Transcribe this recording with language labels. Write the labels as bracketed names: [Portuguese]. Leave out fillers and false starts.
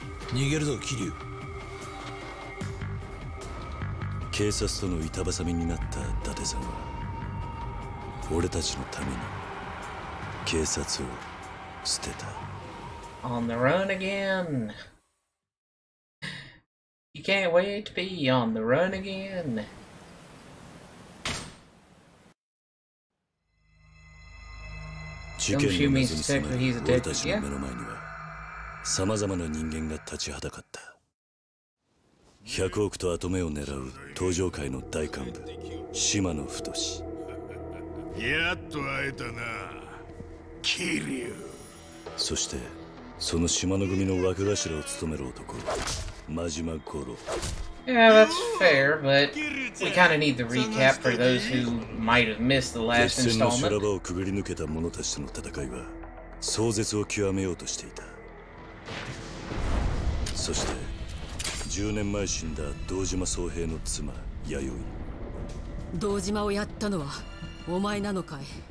[Japanese] 逃げるぞ、キリュウ。警察との板挟みになった伊達さんは、俺たちのために警察を捨てた。 [English] On the run again. You can't wait to be on the run again. Don't you mean to say that he's a detective? Yeah. [Japanese] さまざまな人間が立ちはだかった。100億と跡目を狙う東条会の大幹部、島野太。やっと会えたな、キリュウ。そしてその島野組の枠頭を務める男、真島五郎。 [English] Yeah, that's fair, but we kind of need the recap for those who might have missed the last installment. [Japanese] 決戦の修羅場をくぐり抜けた者たちとの戦いは壮絶を極めようとしていた。そして10年前死んだ堂島宗平の妻弥生。堂島をやったのはお前なのかい。